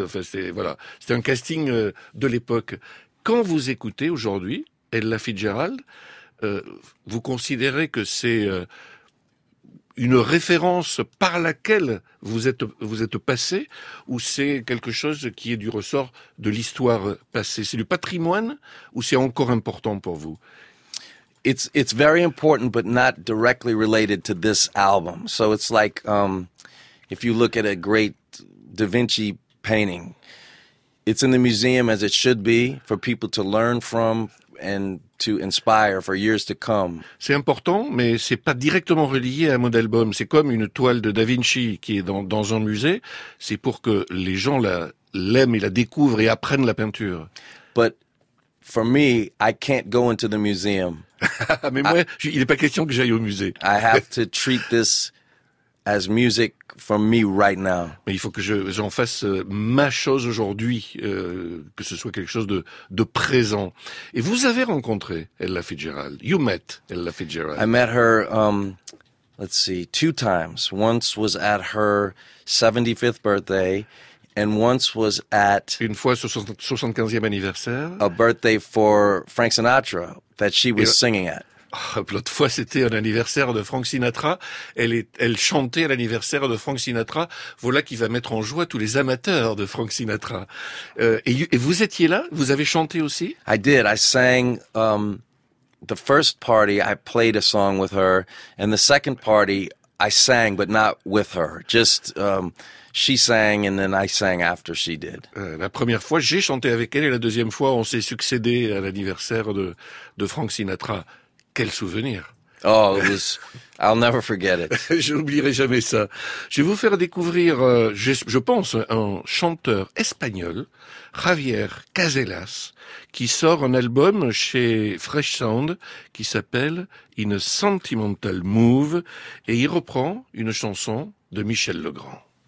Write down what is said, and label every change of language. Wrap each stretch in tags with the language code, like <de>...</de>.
<fr>Enfin, c'est voilà, c'était un casting de l'époque. Quand vous écoutez aujourd'hui Ella Fitzgerald, vous considérez que c'est une référence par laquelle vous êtes passé, ou c'est quelque chose qui est du ressort de l'histoire passée? C'est du patrimoine, ou c'est encore important pour vous?</fr> <en>It's very important, but not directly related to this album. So it's like if you look at a great Da Vinci painting, it's in the museum as it should be for people to learn from and to inspire for years to come.</en> <fr>C'est important, mais c'est pas directement relié à mon album. C'est comme une toile de Da Vinci qui est dans un musée. C'est pour que les gens l'aiment et la découvrent et apprennent la peinture.</fr> <en>But for me, I can't go into the museum.</en> <fr>Mais moi, il est pas question que j'aille au musée.</fr> <en>I have to treat this as music for me right now.</en> <fr>Mais il faut que j'en fasse ma chose aujourd'hui, que ce soit quelque chose de présent. Et vous avez rencontré Ella Fitzgerald.</fr> <en>You met Ella Fitzgerald. I met her, let's see, two times. Once was at her 75th birthday, and once was at...</en> <fr>Une fois, 75e anniversaire.</fr> <en>A birthday for Frank Sinatra that she was singing at.</en> <fr>L'autre fois, c'était un anniversaire de Frank Sinatra. Elle chantait à l'anniversaire de Frank Sinatra. Voilà qui va mettre en joie tous les amateurs de Frank Sinatra. Et vous étiez là? Vous avez chanté aussi?</fr> <en>I did. I sang the first party. I played a song with her, and the second party, I sang, but not with her. Just she sang, and then I sang after she did.</en> <fr>La première fois, j'ai chanté avec elle, et la deuxième fois, on s'est succédé à l'anniversaire de Frank Sinatra. Quel souvenir!</fr> <en>Oh, I'll never forget it.</en> <fr>Je n'oublierai jamais ça. Je vais vous faire découvrir, je pense, un chanteur espagnol, Javier Caselas, qui sort un album chez Fresh Sound qui s'appelle In a Sentimental Move, et il reprend une chanson de Michel Legrand.</fr>